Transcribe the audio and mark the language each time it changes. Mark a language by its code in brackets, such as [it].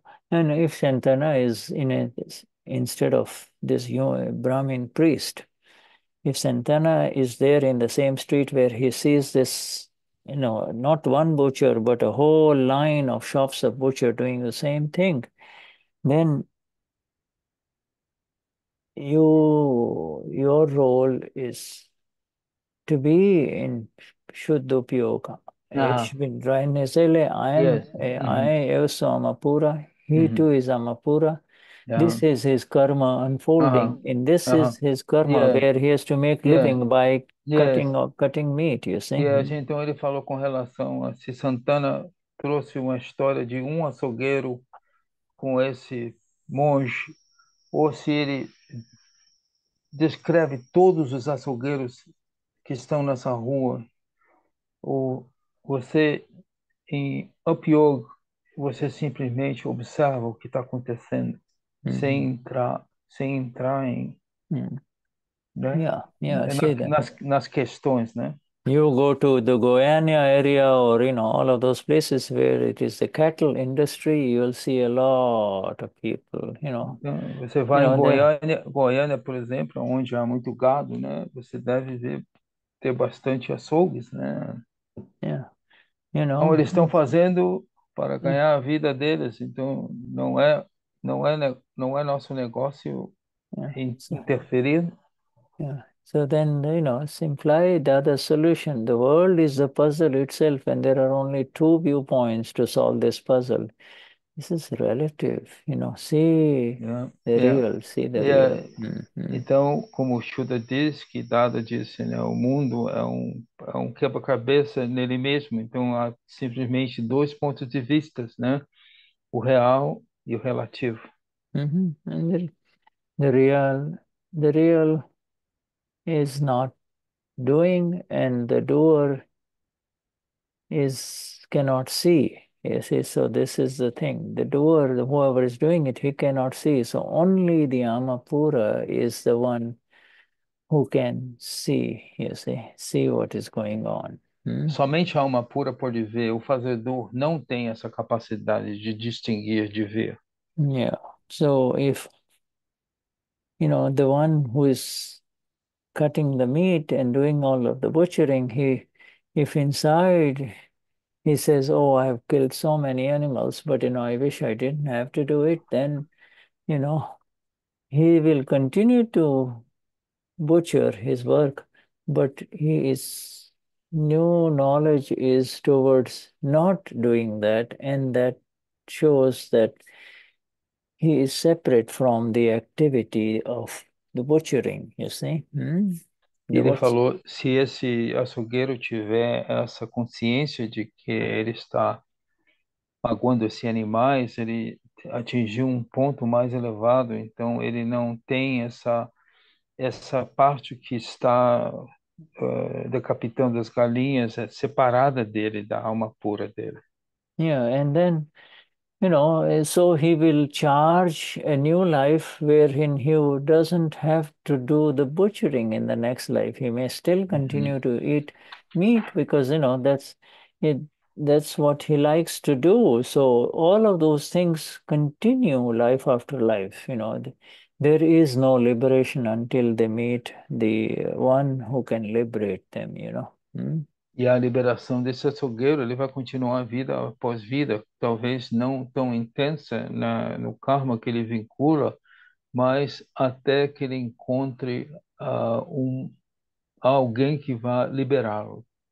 [en] And if Santana is in a, instead of this Brahmin priest, if Santana is there in the same street where he sees this, you know, not one butcher, but a whole line of shops of butcher doing the same thing, then your role is to be in Shuddhupyoga. I also am Apura. He too is Amapura. This is his karma unfolding. And this is his karma where he has to make living by cutting or cutting meat, you see. [pt] Então ele falou com relação a se Santana trouxe uma história de um açougueiro com esse monge, ou se ele descreve todos os açougueiros que estão nessa rua, ou você, em Upyog, você simplesmente observa o que está acontecendo sem entrar em, né? Nas questões, né? [en] You go to the Goiânia area or, you know, all of those places where it is the cattle industry, you will see a lot of people, [pt] Então, você [en] you [pt] vai em [en] know, there. [pt] Goiânia, por exemplo, onde há muito gado, né? Você deve ter bastante açougues, né? Então, eles estão fazendo para ganhar a vida deles, então não é nosso negócio interferir. [en] So then, you know, simply the other solution. The world is a puzzle itself, and there are only two viewpoints to solve this puzzle. This is relative, you know. See the real, see the real. [pt] Então, como o Shuda diz, que Dada disse, né, o mundo é um quebra-cabeça nele mesmo. Então, há simplesmente dois pontos de vistas, né? O real e o relativo. [en] And the real is not doing, and the doer is cannot see. You see, so this is the thing. The doer, whoever is doing it, he cannot see. So only the Amapura is the one who can see, you see what is going on. [pt] Somente a alma pura pode ver. O fazedor não tem essa capacidade de distinguir, de ver. [en] So if, you know, the one who is cutting the meat and doing all of the butchering, he, if inside he says, oh, I have killed so many animals, but you know, I wish I didn't have to do it, then, you know, he will continue to butcher his work, but his new knowledge is towards not doing that, and that shows that he is separate from the activity of the butchering, you see? The [pt] Ele [en] what's. [pt] falou, se esse açougueiro tiver essa consciência de que ele está pagando esses animais, ele atingiu um ponto mais elevado, então ele não tem essa parte que está decapitando as galinhas, separada dele, da alma pura dele. [en] You know, so he will charge a new life wherein he doesn't have to do the butchering in the next life. He may still continue to eat meat because, you know, that's it. That's what he likes to do. So all of those things continue life after life. You know, there is no liberation until they meet the one who can liberate them, you know. [pt] E a liberação desse açougueiro, ele vai continuar vida após vida, talvez não tão intensa no karma que ele vincula, mas até que ele encontre alguém que vá liberá-lo.